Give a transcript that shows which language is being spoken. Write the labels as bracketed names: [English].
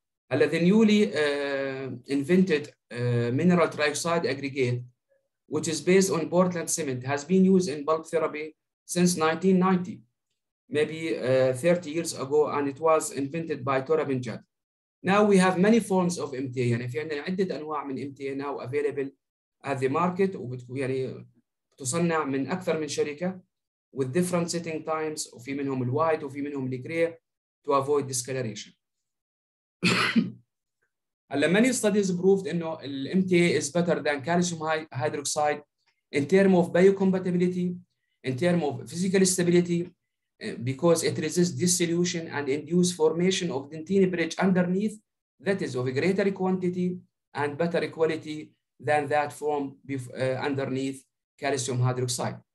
[English] The newly invented mineral trioxide aggregate, which is based on Portland cement, has been used in bulb therapy since 1990. Maybe 30 years ago, and it was invented by Torabin Jad. Now we have many forms of MTA. [Arabic] يعني في عندنا عدة أنواع من MTA [English] now available at the market, [Arabic] يعني تصنع من أكثر من شركة [English] with different setting times, [Arabic] وفي منهم ال white وفي منهم ال gray [English] to avoid discoloration. Many studies proved إنه MTA is better than calcium hydroxide in term of biocompatibility, in term of physical stability, because it resists dissolution and induces formation of dentin bridge underneath that is of a greater quantity and better quality than that formed underneath calcium hydroxide.